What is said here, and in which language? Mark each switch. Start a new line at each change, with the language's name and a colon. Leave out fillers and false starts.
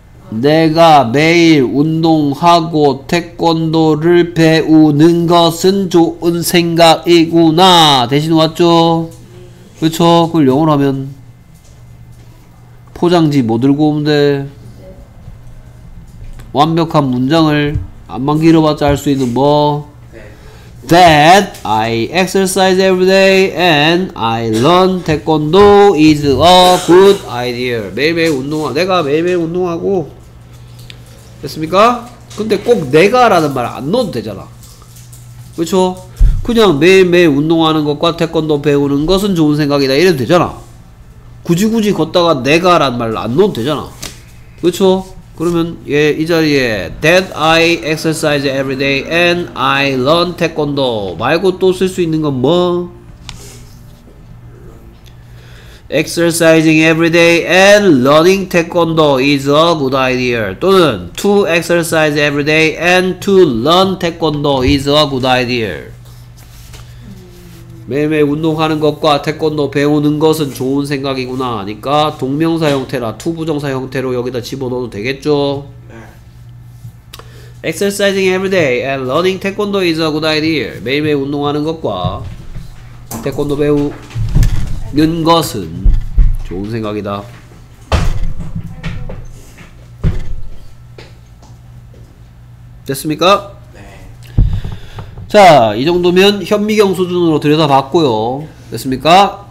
Korean: 내가 매일 운동하고 태권도를 배우는 것은 좋은 생각이구나. 대신 왔죠? 그쵸? 그걸 영어로 하면 포장지 뭐 들고 오면 돼? 완벽한 문장을 안만 길어봤자 할 수 있는 뭐?
English: That I exercise every day and I learn taekwondo is a good idea.
Korean: 매일매일 운동하고 내가 매일매일 운동하고 됐습니까? 근데 꼭 내가 라는 말 안 넣어도 되잖아. 그쵸? 그냥 매일매일 운동하는 것과 태권도 배우는 것은 좋은 생각이다 이래도 되잖아. 굳이 걷다가 내가 라는 말 안 넣어도 되잖아. 그쵸? 그러면 얘 이 자리에
English: That I exercise every day and I learn
Korean: 태권도 말고 또 쓸 수 있는 건 뭐?
English: Exercising every day and learning taekwondo is a good idea. 또는 to exercise every day and to learn taekwondo is a good idea.
Korean: 매일매일 운동하는 것과 태권도 배우는 것은 좋은 생각이구나 하니까 동명사 형태라 to 부정사 형태로 여기다 집어넣어도 되겠죠?
English: Exercising every day and learning taekwondo is a good idea.
Korean: 매일매일 운동하는 것과 태권도 배우 는 것은 좋은 생각이다. 됐습니까? 네. 자, 이 정도면 현미경 수준으로 들여다봤고요. 됐습니까?